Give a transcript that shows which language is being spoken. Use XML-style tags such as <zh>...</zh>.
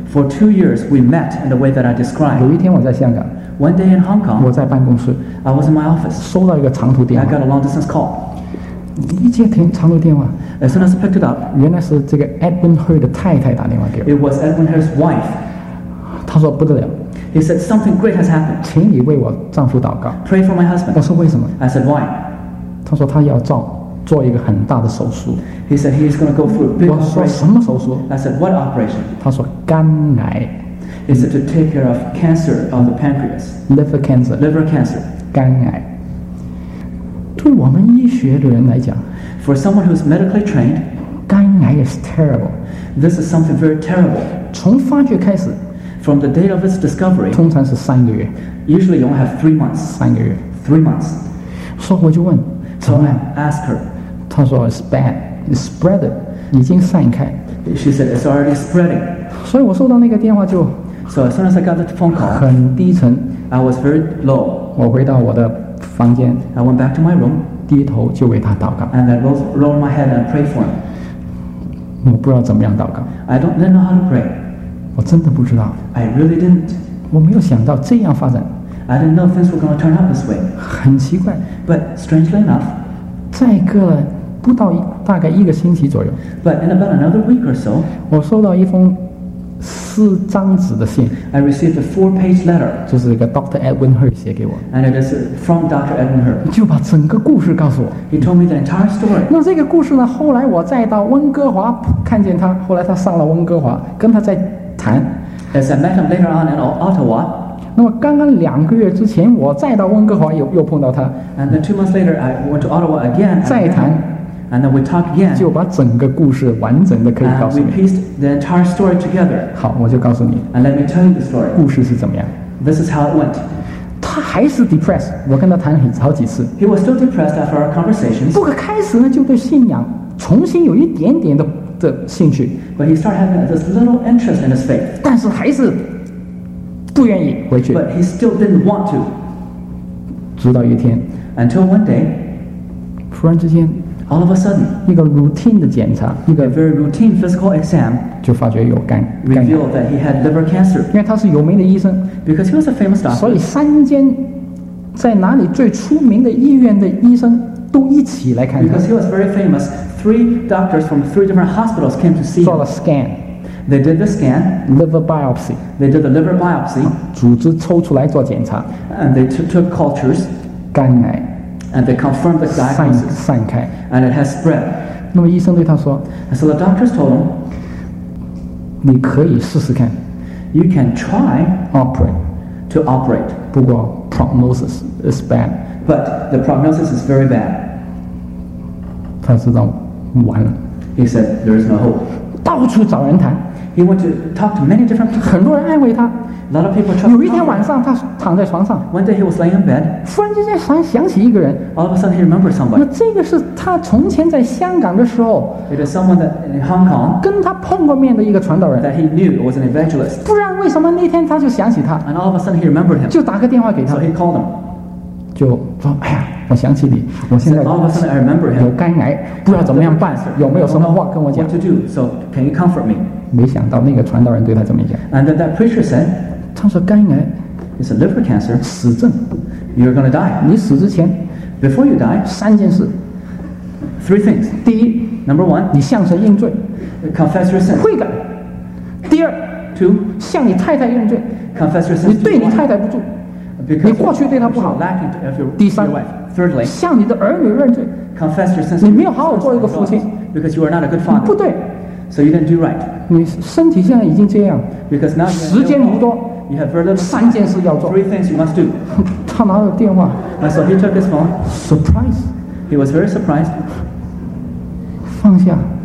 <en>For 2 years, we met in the way that I described.</en> <zh>有一天我在香港。</zh> <en>One day in Hong Kong.</en> <zh>我在办公室。</zh> <en>I was in my office.</en> <zh>收到一个长途电话。</zh> <en>I got a long distance call.</en> <zh>一接听长途电话。</zh> <en>As soon as I picked it up.</en> <zh>原来是这个 Edwin Hui 的太太打电话给我。</zh> <en>It was Edwin Hui's wife.</en> <zh>他说不得了。</zh> <en>He said something great has happened.</en> <zh>请你为我丈夫祷告。</zh> <en>Pray for my husband.</en> <zh>我说为什么？</zh> <en>I said why?</en> <zh>他说他要做一个很大的手术。</zh> <en>He said he is going to go through a big operation.</en> <zh>我说什么手术？</zh> <en>I said what operation?</en> <zh>他说肝癌。</zh> <en>He said to take care of cancer on the pancreas. Liver cancer. Liver cancer.</en> <zh>肝癌。对我们医学的人来讲，</zh> <en>for someone who is medically trained, 肝癌 is terrible. This is something very terrible.</en> <zh>从发觉开始。</zh> <en>From the date of its discovery,</en> <zh>通常是三个月。</zh> <en>Usually you only have 3 months.</en> <zh>三个月。</zh> <en>3 months.</en> <zh>所以我就问，怎么样？</zh> <en>So I asked her.</en> <zh>她说</zh> <en>it's bad, it's spreaded,</en> <zh>已经散开。</zh> <en>She said it's already spreading.</en> <zh>所以我收到那个电话就，</zh> <en>So as soon as I got the phone call,</en> <zh>很低沉。</zh> <en>I was very low.</en> <zh>我回到我的房间。</zh> <en>I went back to my room.</en> <zh>低头就为她祷告。</zh> <en>And I rolled my head and prayed for him.</en> <zh>我不知道怎么样祷告。</zh> <en>I don't know how to pray.</en> <zh>我真的不知道。</zh> <en>I really didn't.</en> <zh>我没有想到这样发展。</zh> <en>I didn't know things were going to turn out this way.</en> <zh>很奇怪。</zh> <en>But strangely enough,</en> <zh>再隔了不到大概一个星期左右。</zh> <en>But in about another week or so,</en> <zh>我收到一封四张纸的信。</zh> <en>I received a 4-page letter.</en> <zh>就是一个 Dr. Edwin Hui 写给我。</zh> <en>And it is from Dr. Edwin Hui.</en> <zh>就把整个故事告诉我。</zh> <en>He told me the entire story.</en> <zh>那这个故事呢？后来我再到温哥华看见他，后来他上了温哥华，跟他在。</zh> <en>As I met him later on in Ottawa.</en> <zh>那么刚刚两个月之前，我再到温哥华又碰到他。</zh> <en>And then 2 months later, I went to Ottawa again.</en> <zh>再谈。</zh> <en>And then we talk again.</en> <zh>就把整个故事完整的可以告诉你。</zh> <en>And we pieced the entire story together.</en> <zh>好，我就告诉你。</zh> <en>And let me tell you the story.</en> <zh>故事是怎么样</zh> <en>？This is how it went.</en> <zh>他还是 depressed. 我跟他谈了好几次。</zh> <en>He was still depressed after our conversations.</en> <zh>不过开始呢，就对信仰重新有一点点的。兴趣</zh> <en>but he started having this little interest in his faith.</en> <zh>但是还是不愿意回去。</zh> <en>But he still didn't want to.</en> <zh>直到一天</zh> <en>until one day,</en> <zh>突然之间</zh> <en>all of a sudden,</en> <zh>一个 routine 的检查，一个</zh> <en>a very routine physical exam,</en> <zh>就发觉有肝</zh> <en>revealed that he had liver cancer.</en> <zh>因为他是有名的医生</zh> <en>because he was a famous doctor.</en> <zh>所以三间在哪里最出名的医院的医生都一起来看他</zh> <en>because he was very famous. Three doctors from 3 different hospitals came to see him.</en> <zh>做了 scan.</zh> <en>They did the scan. Liver biopsy. They did the liver biopsy.</en> <zh>组织抽出来做检查。</zh> <en>And they took cultures.</en> <zh>肝癌。</zh> <en>And they confirmed the diagnosis.</en> <zh>散开。</zh> <en>And it has spread.</en> <zh>那么医生对他说。</zh> <en>And so the doctors told him.</en> <zh>你可以试试看。</zh> <en>You can try. Operate. To operate.</en> <zh>不过</zh> <en>prognosis is bad. But the prognosis is very bad.</en> <zh>他知道完了。</zh> <en>He said there is no hope.</en> <zh>到处找人谈。</zh> <en>He went to talk to many different people.</en> <zh>很多人安慰他。</zh> <en>A lot of people tried.</en> <zh>有一天晚上，他躺在床上。</zh> <en>One day he was laying in bed.</en> <zh>突然间想起一个人。</zh> <en>All of a sudden he remembered somebody.</en> <zh>这个是他从前在香港的时候。</zh> <en>It is someone that in Hong Kong.</en> <zh>跟他碰过面的一个传道人。</zh> <en>That he knew was an evangelist.</en> <zh>不然为什么那天他就想起他</zh> <en>？And all of a sudden he remembered him.</en> <zh>就打个电话给他。</zh> <en>So he called him.</en> <zh>就说哎呀。我想起你，我现在有肝癌，不知道怎么样办，有没有什么话跟我讲？</zh> <en>What to do? So can you comfort me?</en> <zh>没想到那个传道人对他怎么讲？</zh> <en>And then that preacher said,</en> <zh>他说肝癌</zh> <en>is a liver cancer,</en> <zh>死症</zh> <en>you're going to die.</en> <zh>你死之前</zh> <en>before you die,</en> <zh>三件事</zh> <en>three things.</en> <zh>第一</zh> <en>number one,</en> <zh>你向神认罪</zh> <en>confess your sin,</en> <zh>悔改。第二</zh> <en>two,</en> <zh>向你太太认罪</zh> <en>confess your sin,</en> <zh>你对你太太不住，你过去对她不好。第三。</zh> <en>Thirdly,</en> <zh>向你的儿女认罪</zh> <en>confess your sins.</en> <zh>你没有好好做一个父亲</zh> <en>because you are not a good father.</en> <zh>不对</zh> <en>so you didn't do right.</en> <zh>你身体现在已经这样</zh> <en>because now</en> <zh>时间不多</zh> <en>you have very little</en> <zh>三件事要做</zh> <en>three things you must do.</en> <zh>他拿了电话</zh> <en>and so he took his phone. Surprise, He was very surprised.</en> <zh>放下。</zh>